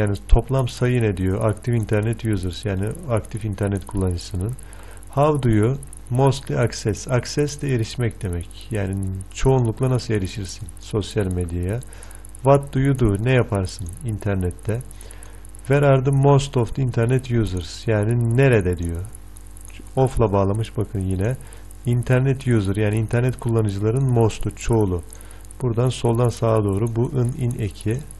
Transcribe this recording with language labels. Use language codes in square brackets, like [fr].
[tr] Yani toplam sayı ne diyor? [en] Active internet users, [tr] yani aktif internet kullanıcısının. [en] How do you mostly access? [tr] Access de erişmek demek. Yani çoğunlukla nasıl erişirsin sosyal medyaya? [en] What do you do? [tr] Ne yaparsın internette? [en] Where are the most of the internet users? [tr] Yani nerede diyor. Of'la bağlamış bakın yine. Internet user, yani internet kullanıcıların most'u, çoğulu. Buradan soldan sağa doğru bu in eki.